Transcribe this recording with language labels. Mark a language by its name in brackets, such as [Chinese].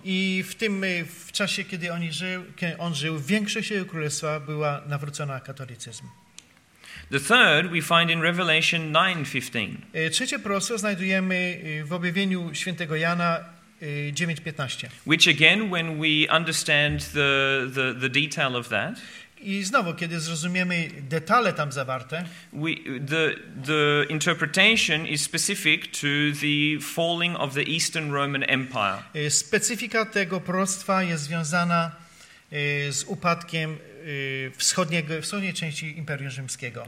[Polish] I w czasie, kiedy on żył, większość jego królestwa była nawrócona na katolicyzm. [English] The third we find in Revelation 9:15. [Polish] Trzecie proroctwo znajdujemy w objawieniu świętego Jana 9:15. [English] Which again when we understand the detail of that. [Polish] I znowu kiedy zrozumiemy detale tam zawarte. [English] The interpretation is specific to the falling of the Eastern Roman Empire. [Polish] Specyfika tego proroctwa jest związana z upadkiem wschodniej części Imperium Rzymskiego.